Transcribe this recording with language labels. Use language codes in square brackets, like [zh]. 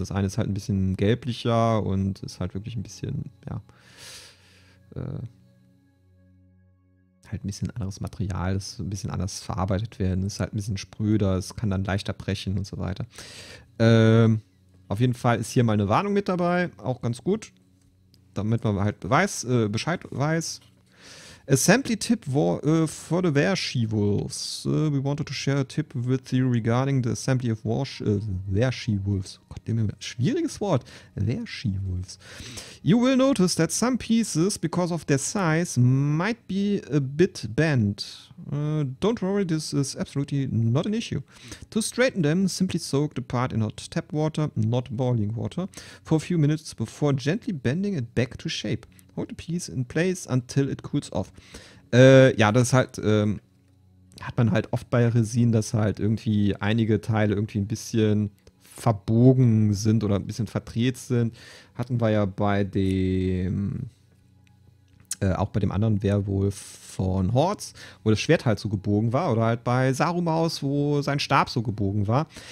[de] Das eine ist halt ein bisschen gelblicher und ist halt wirklich ein bisschen, halt ein bisschen anderes Material, das ein bisschen anders verarbeitet werden, ist halt ein bisschen spröder, es kann dann leichter brechen und so weiter. Auf jeden Fall ist hier mal eine Warnung mit dabei, auch ganz gut, damit man halt Bescheid weiß. [en] Assembly tip for the Were-She-Wolves. We wanted to share a tip with you regarding the assembly of Were-She-Wolves. [de] Oh Gott, schwieriges Wort. [en] Were-She-Wolves. You will notice that some pieces, because of their size, might be a bit bent. Don't worry, this is absolutely not an issue. To straighten them, simply soak the part in hot tap water, not boiling water, for a few minutes before gently bending it back to shape. Hold the piece in place until it cools off. [de] Ja, das ist halt, hat man halt oft bei Resin, dass halt irgendwie einige Teile irgendwie ein bisschen verbogen sind oder ein bisschen verdreht sind. Hatten wir ja bei dem, auch bei dem anderen Werwolf von Hordes, wo das Schwert halt so gebogen war, oder halt bei Sarumaus, wo sein Stab so gebogen war.